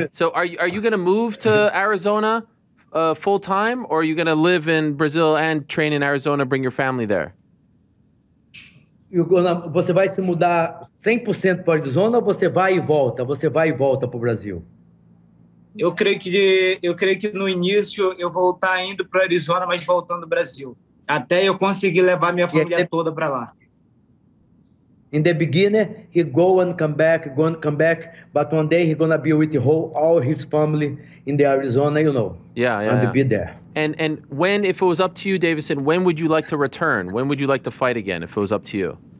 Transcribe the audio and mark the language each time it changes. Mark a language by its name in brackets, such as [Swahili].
[English] So are you gonna move to Arizona full time, or are you gonna live in Brazil and train in Arizona, bring your family there? [Portuguese] Você vai se mudar 100% para Arizona ou você vai e volta? Você vai e volta para o Brasil? Eu creio que no início eu vou estar indo para Arizona, mas voltando para o Brasil. Até eu conseguir levar minha família toda para lá. [English] In the beginning, he go and come back, but one day he's gonna be with all his family in the Arizona, you know. Yeah. Be there. And when, if it was up to you, Deiveson, when would you like to return? When would you like to fight again, if it was up to you?